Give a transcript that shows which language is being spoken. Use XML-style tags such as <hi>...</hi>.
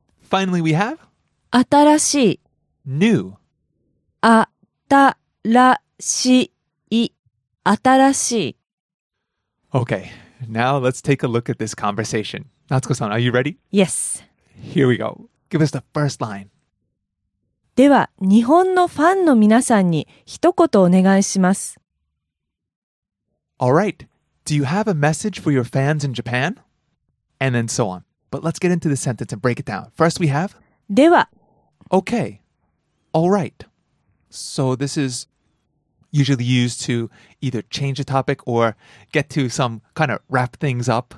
<en>Finally, we have</en> <ja>新しい</ja> <en>New</en> <ja>新しい新しい</ja> <en>Okay, now let's take a look at this conversation. Natsuko-san, are you ready? Yes. Here we go. Give us the first line.</en> <ja>では、日本のファンの皆さんに一言お願いします。</ja> <en>All right. Do you have a message for your fans in Japan? And then so on. But let's get into the sentence and break it down. First we have...</en> <ja>では。</ja> <en>Okay. All right. So this is usually used to either change the topic or get to some kind of wrap things up.</en>